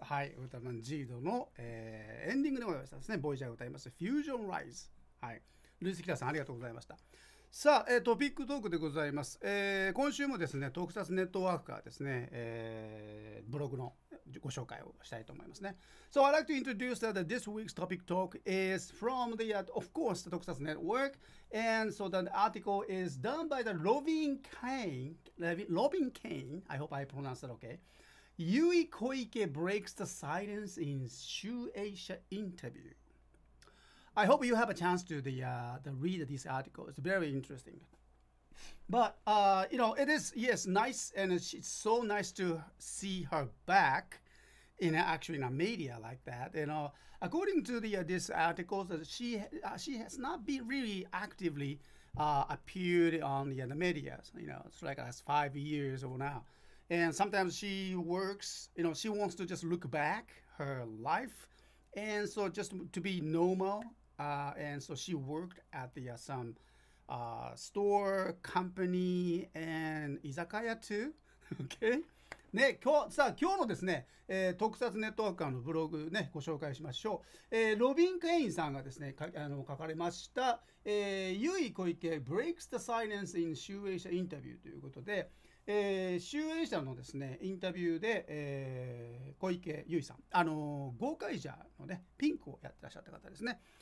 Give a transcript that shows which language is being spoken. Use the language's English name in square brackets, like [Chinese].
[Japanese] はい、ウルトラマンジードの、エンディングでございましたですね。ボイジャーが歌います。フュージョンライス。はい、ルイス・キラさんありがとうございました。さあ、トピックトークでございます。今週もですね、特撮ネットワークからですね、ブログのご紹介をしたいと思いますね。 [English] So I'd like to introduce that this week's topic talk is from the, of course, the 特撮 Network. And so the article is done by the Robin Kane, I hope I pronounced that okay. Yui Koike breaks the silence in Shueisha interview. I hope you have a chance to the read this article. It's very interesting. But, you know, it is, yes, nice, and it's so nice to see her back in actually in a media like that. You know, according to this article, she has not been really actively appeared on the media. So, you know, it's like last 5 years or now. And sometimes she works, you know, she wants to just look back her life. And so just to be normal,and so she worked at the some store company and 居酒屋 too. Okay. [Japanese] ね、今日のですね、特撮ネットワークのブログねご紹介しましょう。ロビン・クエインさんがですね書かれました、ユイ・コイケ [English] breaks the silence in [Japanese] 集英社インタビューということで、集英社のですねインタビューで、小池ユイさん、豪快者のねピンクをやってらっしゃった方ですね。